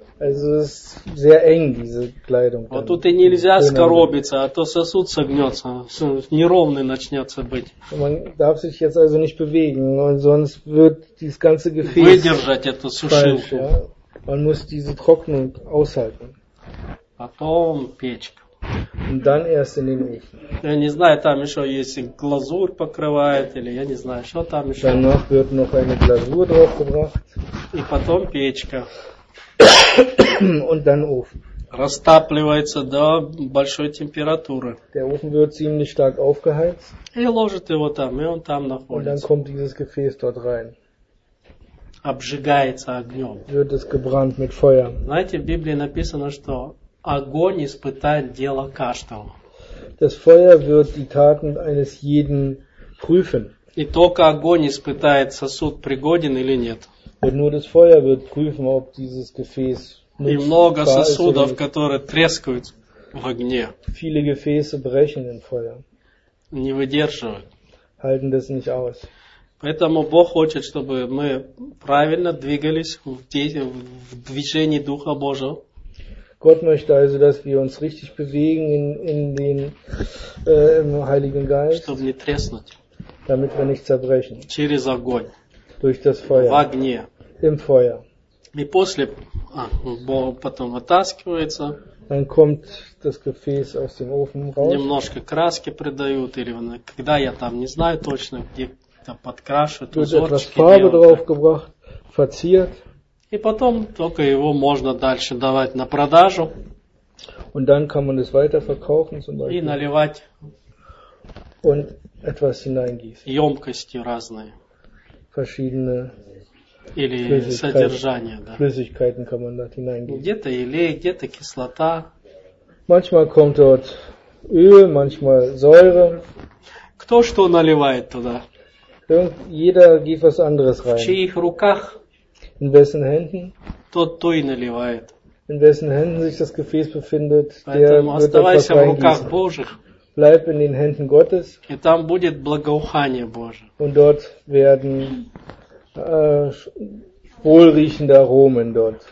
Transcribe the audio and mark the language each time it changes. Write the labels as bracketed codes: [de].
[de] Also es ist sehr eng, diese Kleidung. [ru] Вот тут и нельзя скоробиться, а то сосуд согнется, неровный начнется быть. [de] Man darf sich jetzt also nicht bewegen, sonst wird dieses ganze Gefäß [ru] выдержать эту сушилку. [de] Man muss diese Trocknung aushalten. [ru] Потом печка. [de] Und dann erst in den Ofen. [ru] Я не знаю, там еще есть глазурь покрывает, или я не знаю, что там еще. [de] Danach wird noch eine Glasur drauf gebracht. [ru] И потом печка. [de] Und dann Ofen. [ru] Растапливается до большой температуры. [de] Der Ofen wird ziemlich stark aufgeheizt. [ru] И ложит его там, и он там находится. [de] Und dann kommt dieses Gefäß dort rein. [ru] Обжигается огнем. [de] Wird es gebrannt mit Feuer. [ru] Знаете, в Библии написано, что огонь испытает дело каждого. [de] Das Feuer wird die Taten eines jeden prüfen. [ru] И только огонь испытает сосуд пригоден или нет. [de] Und nur das Feuer wird prüfen, ob dieses Gefäß nutzbar ist. [ru] И много сосудов, которые трескают в огне. [de] Viele Gefäße brechen im Feuer. [ru] Не выдерживают. [de] Halten das nicht aus. [ru] Поэтому Бог хочет, чтобы мы правильно двигались в движении Духа Божьего. [de] Gott möchte also, dass wir uns richtig bewegen im Heiligen Geist. [ru] Чтобы не треснуть. [de] Damit wir nicht zerbrechen. [ru] Через огонь. [de] Durch das Feuer. [ru] В огне. [de] Im Feuer. [ru] И после, Бог потом вытаскивается. [de] Dann kommt das Gefäß aus dem Ofen raus. [ru] Немножко краски придают, или когда я там не знаю точно, где-то подкрашивают, узорчики делают. Тут [de] etwas Farbe draufgebracht, verziert. [ru] И потом только его можно дальше давать на продажу. [de] Und dann kann man es weiterverkaufen, zum Beispiel. [ru] И наливать. [de] Und etwas hineingießt. [ru] Ёмкости разные. [de] Verschiedene. [ru] Или содержание, да. [de] Flüssigkeiten kann man da hineingießen. [ru] Где-то елей, где-то кислота. [de] Manchmal kommt dort Öl, manchmal Säure. [ru] Кто что наливает туда? [de] Jeder gibt was anderes rein. [ru] В чьих руках? [de] In wessen Händen? [ru] Тот то и наливает. [de] In wessen Händen sich das Gefäß befindet, [ru] поэтому [de] der wird etwas reingießen. Bleib in den Händen Gottes. [ru] И там будет благоухание Божие. [de] Und dort werden wohlriechende Aromen dort.